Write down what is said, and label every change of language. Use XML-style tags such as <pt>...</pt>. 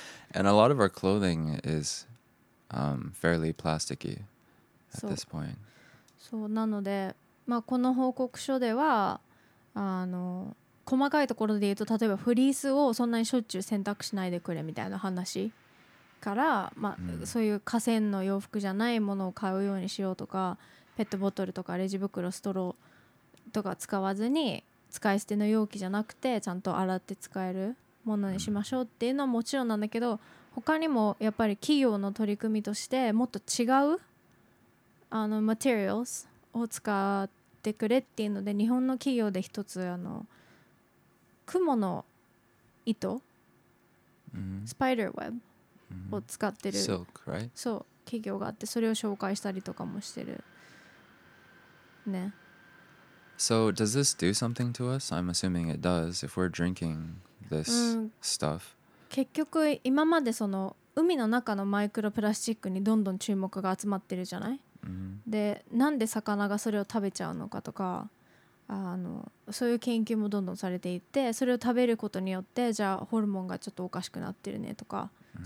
<en>and a lot of our clothing is fairly plasticky at this point.</en> <ja>そうなので、まあ、この報告書では、細かいところで言うと、例えばフリースをそんなにしょっちゅう洗濯しないでくれみたいな話から、まあ、そういう化繊の洋服じゃないものを買うようにしようとか、ペットボトルとかレジ袋、ストローとか使わずに、使い捨ての容器じゃなくてちゃんと洗って使えるものにしましょうっていうのはもちろんなんだけど、他にもやっぱり企業の取り組みとしてもっと違うあの materials を使ってくれっていうので、日本の企業で一つあの蜘蛛の糸、 mm-hmm. スパイダーウェブを使ってる、</ja> <en>Silk, right?</en> <ja>そう企業があって、それを紹介したりとかもしてるね。</ja> <en>So does this do something to us? I'm assuming it does if we're drinking this stuff.</en> <ja>結局今までその海の中のマイクロプラスチックにどんどん注目が集まってるじゃない、 mm-hmm. でなんで魚がそれを食べちゃうのかとか、あのそういう研究もどんどんされていて、それを食べることによってじゃあホルモンがちょっとおかしくなってるねとか、mm-hmm.</ja>